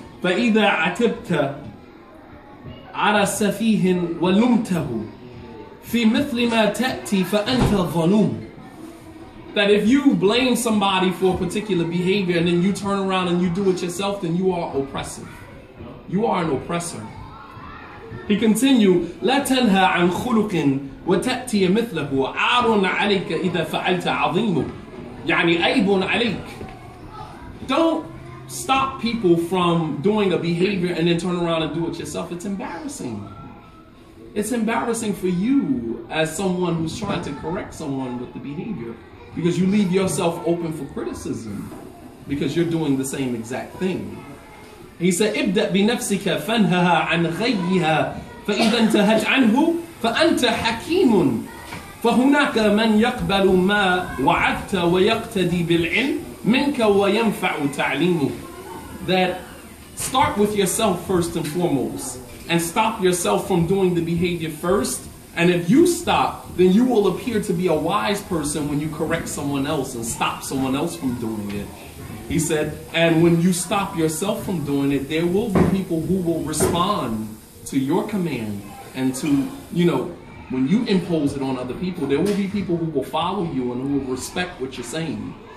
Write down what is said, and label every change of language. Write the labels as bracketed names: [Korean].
[Arabic] فَإِذَا عَتِبْتَ عَلَى سَفِيهٍ وَلُمْتَهُ فِي مِثْلِ مَا تَأْتِي فَأَنْتَ الظَّلُومُ. [English] That if you blame somebody for a particular behavior and then you turn around and you do it yourself, then you are oppressive. You are an oppressor. He continued, [Arabic] لَا تَنْهَى عَنْ خُلُقٍ وَتَأْتِيَ مِثْلَهُ عَارٌ عَلَيْكَ إِذَا فَعَلْتَ عَظِيمٌ يَعْنِي أَيْبٌ عَلَيْكَ. [English] Don't stop people from doing a behavior and then turn around and do it yourself. It's embarrassing. It's embarrassing for you as someone who's trying to correct someone with the behavior, because you leave yourself open for criticism because you're doing the same exact thing. He said, [Arabic] ابدأ بنفسك فانهها عن غيها فإذا انتهت عنه فأنت حكيم فهناك من يقبل ما وعدت ويقتدي بالعلم منك وينفع تعليمه. [English] That start with yourself first and foremost, and stop yourself from doing the behavior first. And if you stop, then you will appear to be a wise person when you correct someone else and stop someone else from doing it. He said, and when you stop yourself from doing it, there will be people who will respond to your command and to, you know, when you impose it on other people, there will be people who will follow you and who will respect what you're saying.